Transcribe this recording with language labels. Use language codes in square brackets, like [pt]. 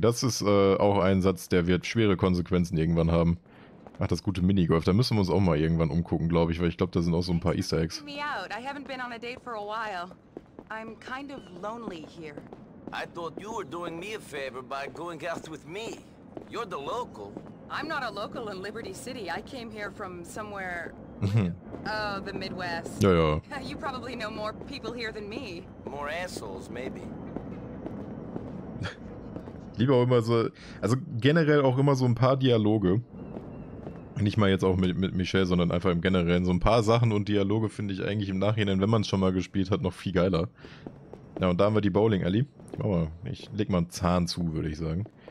[de] Das ist auch ein Satz, der wird schwere Konsequenzen irgendwann haben. Ach, das gute Minigolf, da müssen wir uns auch mal irgendwann umgucken, glaube ich, weil ich glaube, da sind auch so ein paar Easter Eggs. [en] Me out. I haven't been on a date for a while. I'm kind of lonely here. I thought you were doing me a favor by going out with me. You're the local. I'm not a local in Liberty City. I came here from somewhere the Midwest. [de] Ja, ja. [en] You probably know more people here than me. More assholes maybe. [de] Lieber auch immer so, also generell auch immer so ein paar Dialoge. Nicht mal jetzt auch mit Michelle, sondern einfach im Generellen. So ein paar Sachen und Dialoge finde ich eigentlich im Nachhinein, wenn man es schon mal gespielt hat, noch viel geiler. Ja, und da haben wir die Bowling Alley. Ich leg mal einen Zahn zu, würde ich sagen.